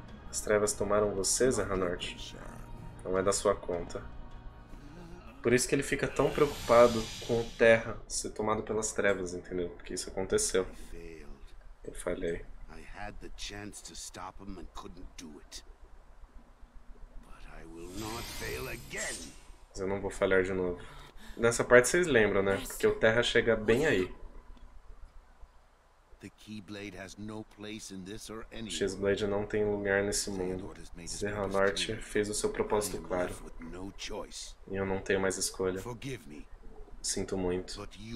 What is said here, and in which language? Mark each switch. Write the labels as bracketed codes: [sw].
[pt] As trevas tomaram você, Zerra Norte. Não é da sua conta. Por isso que ele fica tão preocupado com o Terra ser tomado pelas trevas, entendeu? Porque isso aconteceu. Eu falhei. [en] I had the chance to stop him and couldn't do it. But I will not fail again. [pt] Mas eu não vou falhar de novo. Nessa parte vocês lembram, né? Porque o Terra chega bem aí. [en] The Keyblade has no place in this or any. [pt] Xblade não tem lugar nesse mundo. Serra Norte fez o seu propósito claro. E eu não tenho mais escolha. Sinto muito.